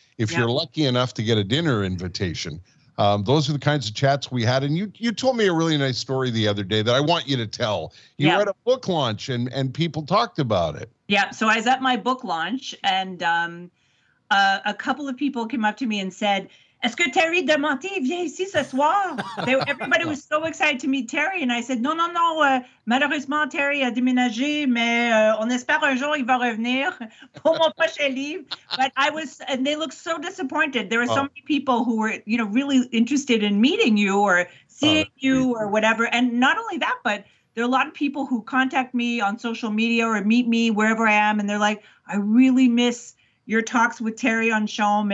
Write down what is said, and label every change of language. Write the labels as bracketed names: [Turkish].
[English] If yeah. you're lucky enough to get a dinner invitation, those are the kinds of chats we had. And you told me a really nice story the other day that I want you to tell. You were at a book launch and people talked about it. Yeah. So I was at my book launch and a couple of people came up to me and said, [French] Est-ce que Terry Demonté vient ici ce soir? [English] Everybody was so excited to meet Terry. And I said, [French] non, malheureusement, Terry a déménagé, mais on espère un jour il va revenir pour mon prochain livre. [English] But I was, and they looked so disappointed. There were so many people who were, you know, really interested in meeting you or seeing you or whatever. And not only that, but there are a lot of people who contact me on social media or meet me wherever I am. And they're like, I really miss your talks with Terry on Shom.